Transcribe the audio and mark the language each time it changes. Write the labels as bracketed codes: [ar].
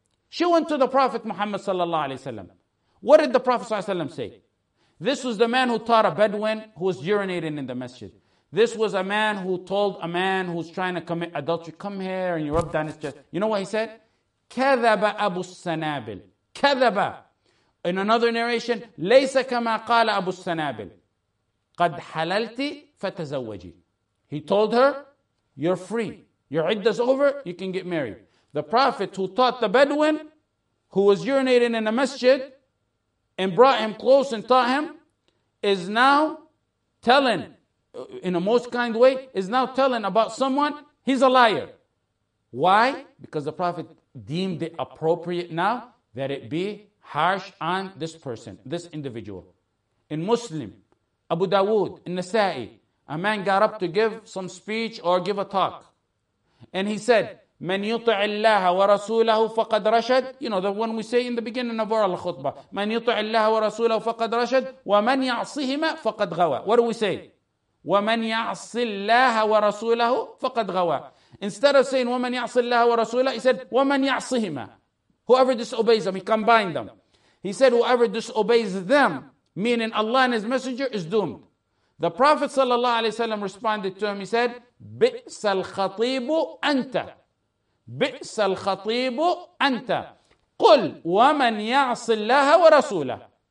[en] She went to the Prophet Muhammad sallallahu alaihi wasallam. What did the Prophet sallallahu alaihi wasallam say? This was the man who taught a Bedouin who was urinating in the masjid. This was a man who told a man who's trying to commit adultery, come here and you rub down his chest. You know what he said? [ar] Kadhaba Abu Sanabil. Kadhaba. [en] In another narration, [ar] لَيْسَ كَمَا قَالَ أَبُو السَّنَابِلِ قَدْ حَلَلْتِ فَتَزَوَّجِ. [en] He told her, you're free. Your iddah's over, you can get married. The Prophet who taught the Bedouin, who was urinating in a masjid, and brought him close and taught him, is now telling, in a most kind way, is now telling about someone, he's a liar. Why? Because the Prophet deemed it appropriate now that it be harsh on this person, this individual. In Muslim, Abu Dawood, in Nasa'i, a man got up to give some speech or give a talk. And he said, [ar] من يطع الله ورسوله فقد رشد. [en] You know, the one we say in the beginning of our khutbah. [ar] من يطع الله ورسوله فقد رشد. ومن يعصهما فقد غوى. [en] What do we say? [ar] ومن يعص الله ورسوله فقد غوى. [en] Instead of saying, [ar] ومن يعص الله ورسوله, [en] he said, [ar] ومن يعصهما. [en] Whoever disobeys them, he combined them. He said, whoever disobeys them, meaning Allah and His Messenger, is doomed. The Prophet ﷺ responded to him, he said, [ar] بِئْسَ الْخَطِيبُ أَنْتَ. بئس الخطيب أنت. قل ومن يعص الله ورسوله.